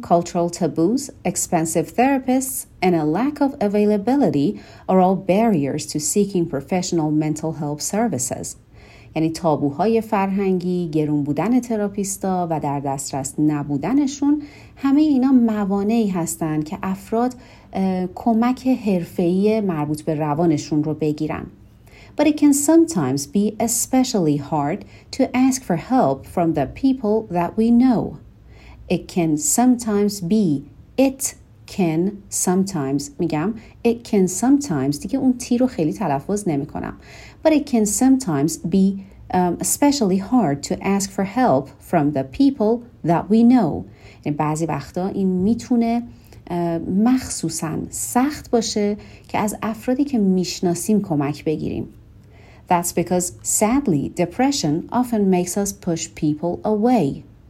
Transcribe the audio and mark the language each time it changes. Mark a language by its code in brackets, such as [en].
[en] Cultural taboos, expensive therapists, and a lack of availability are all barriers to seeking professional mental health services. [fa] یعنی تابوهای فرهنگی، گرون بودن تراپیستا و در دسترس نبودنشون همه اینا موانعی هستن که افراد کمک حرفه‌ای مربوط به روانشون رو بگیرن. [en] But it can sometimes be especially hard to ask for help from the people that we know. It can sometimes be, it can sometimes, [fa] میگم, [en] it can sometimes, [fa] دیگه اون تی رو خیلی تلفظ نمی کنم. [en] But it can sometimes be especially hard to ask for help from the people that we know. [fa] یعنی بعضی وقتا این میتونه مخصوصا سخت باشه که از افرادی که میشناسیم کمک بگیریم. [en] That's because, sadly, depression often makes us push people away.